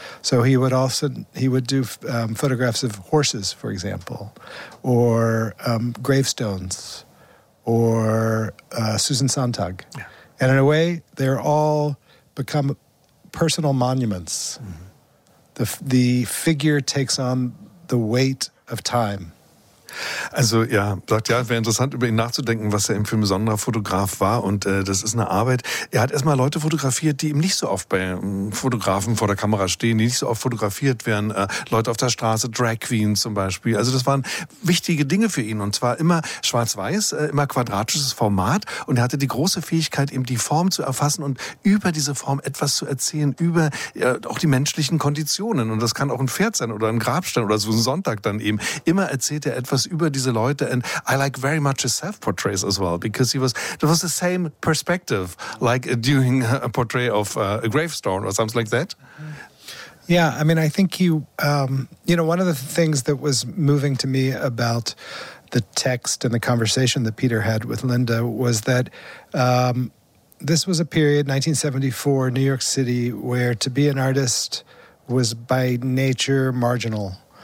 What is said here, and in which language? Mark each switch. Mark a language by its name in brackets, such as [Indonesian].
[English] So he would also, he would do photographs of horses, for example, or gravestones, or Susan Sontag. Yeah. And in a way, they're all become personal monuments. Mm-hmm. The figure takes on the weight of time. [German] Also ja, sagt ja, wäre interessant, über ihn nachzudenken, was er eben für ein besonderer Fotograf war. Und das ist eine Arbeit. Er hat erstmal Leute fotografiert, die ihm nicht so oft bei Fotografen vor der Kamera stehen, die nicht so oft fotografiert werden. Leute auf der Straße, Drag Queens zum Beispiel. Also das waren wichtige Dinge für ihn. Und zwar immer schwarz-weiß, immer quadratisches Format. Und er hatte die große Fähigkeit, eben die Form zu erfassen und über diese Form etwas zu erzählen, über auch die menschlichen Konditionen. Und das kann auch ein Pferd sein oder ein Grabstein oder so ein Sonntag dann eben. Immer erzählt er etwas über diese Leute. [English] And I like very much his self-portraits as well, because there was the same perspective, like doing a portrait of a gravestone or something like that. Yeah, I mean, I think you, you know, one of the things that was moving to me about the text and the conversation that Peter had with Linda was that this was a period, 1974, New York City, where to be an artist was by nature marginal.